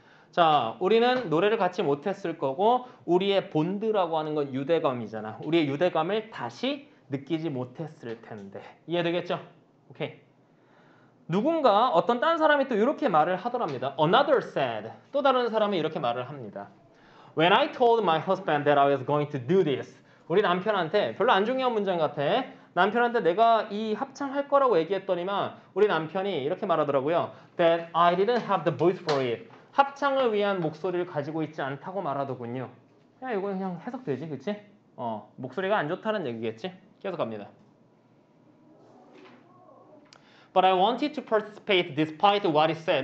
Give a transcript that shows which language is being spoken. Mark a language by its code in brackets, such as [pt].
[ko] 자, 우리는 노래를 같이 못했을 거고 우리의 본드라고 하는 건 유대감이잖아. 우리의 유대감을 다시 느끼지 못했을 텐데. 이해되겠죠? 오케이. 누군가 어떤 딴 사람이 또 이렇게 말을 하더랍니다. [en] Another said. [ko] 또 다른 사람이 이렇게 말을 합니다. [en] When I told my husband that I was going to do this. [ko] 우리 남편한테 별로 안 중요한 문장 같아. 남편한테 내가 이 합창할 거라고 얘기했더니만 우리 남편이 이렇게 말하더라고요. [en] That I didn't have the voice for it. [ko] 합창을 위한 목소리를 가지고 있지 않다고 말하더군요. 그냥 이건 그냥 해석되지, 그치? 목소리가 안 좋다는 얘기겠지? 계속 갑니다. [en] But I wanted to participate despite what he said.